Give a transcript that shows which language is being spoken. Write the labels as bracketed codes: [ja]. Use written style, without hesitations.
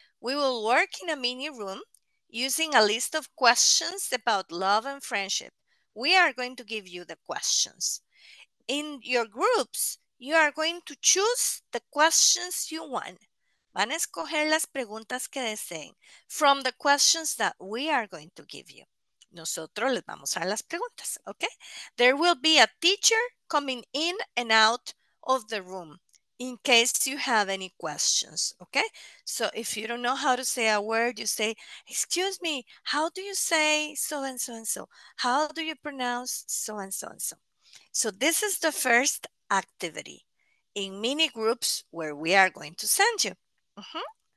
[en] We will work in a mini room using a list of questions about love and friendship. We are going to give you the questions. In your groups, you are going to choose the questions you want. [es] Van a escoger las preguntas que deseen [en] from the questions that we are going to give you. [es] Nosotros les vamos a dar las preguntas, okay? [en] There will be a teacher coming in and out of the room in case you have any questions, okay? So if you don't know how to say a word, you say, excuse me, how do you say so and so and so? How do you pronounce so and so and so? So this is the first activity in mini groups where we are going to send you. Mm-hmm.